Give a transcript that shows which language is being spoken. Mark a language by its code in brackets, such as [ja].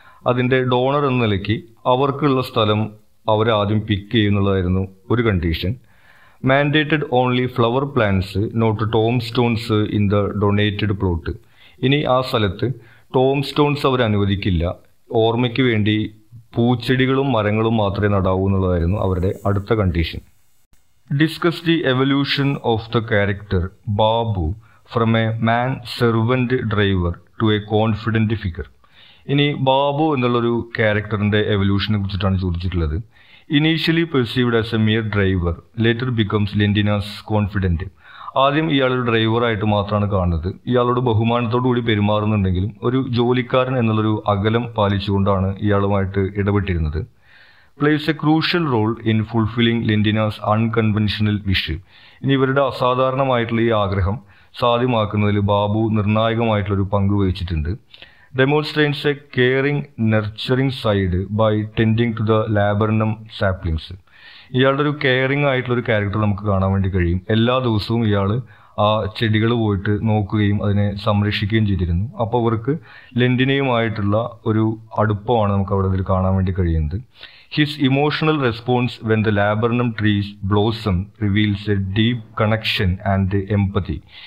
[ml] അതിൻ്റെ ഡോണർ എന്ന നിലയ്ക്ക് അവർക്കുള്ള സ്ഥലം അവരാദ്യം പിക്ക് ചെയ്യുന്നുള്ളതായിരുന്നു ഒരു condition. [en] Mandated only flower plants not tomb stones in the donated plot. [ml] ഇനി ആ സ്ഥലത്ത് ടോം സ്റ്റോൺസ് അവർ അനുവദിക്കില്ല, ഓർമ്മയ്ക്ക് വേണ്ടി പൂച്ചെടികളും മരങ്ങളും മാത്രമേ നടാവൂ എന്നുള്ളതായിരുന്നു അവരുടെ അടുത്ത condition. [en] Discuss the evolution of the character Babu from a man servant driver to a confident figure. [ml] ഇനി ബാബു എന്നുള്ളൊരു ക്യാരക്ടറിന്റെ എവല്യൂഷനെ കുറിച്ചിട്ടാണ് ചോദിച്ചിട്ടുള്ളത്. [en] Initially perceived as a mere driver, later becomes Lendina's confident. [ml] ആദ്യം ഇയാളൊരു ഡ്രൈവറായിട്ട് മാത്രമാണ് കാണുന്നത്. ഇയാളോട് ബഹുമാനത്തോടു കൂടി പെരുമാറുന്നുണ്ടെങ്കിലും ഒരു ജോലിക്കാരൻ എന്നുള്ളൊരു അകലം പാലിച്ചുകൊണ്ടാണ് ഇയാളുമായിട്ട് ഇടപെട്ടിരുന്നത്. [en] Plays a crucial role in fulfilling Lendina's unconventional wish. [ml] ഇനി ഇവരുടെ അസാധാരണമായിട്ടുള്ള ഈ ആഗ്രഹം സാധ്യമാക്കുന്നതിൽ ബാബു നിർണായകമായിട്ടുള്ളൊരു പങ്ക് വഹിച്ചിട്ടുണ്ട്. [en] Demonstrates a caring, nurturing side by tending to the laburnum saplings. [ml] ഇയാളുടെ ഒരു കെയറിംഗ് ആയിട്ടുള്ള ഒരു ക്യാരക്ടർ നമുക്ക് കാണാൻ വേണ്ടി കഴിയും. എല്ലാ ദിവസവും ഇയാൾ ആ ചെടികൾ പോയിട്ട് നോക്കുകയും അതിനെ സംരക്ഷിക്കുകയും ചെയ്തിരുന്നു. അപ്പോൾ അവർക്ക് ലെൻഡിനയുമായിട്ടുള്ള ഒരു അടുപ്പമാണ് നമുക്ക് അവിടെ അതിൽ കാണാൻ വേണ്ടി കഴിയുന്നത്. [en] His emotional response when the laburnum trees blossom reveals a deep connection and empathy.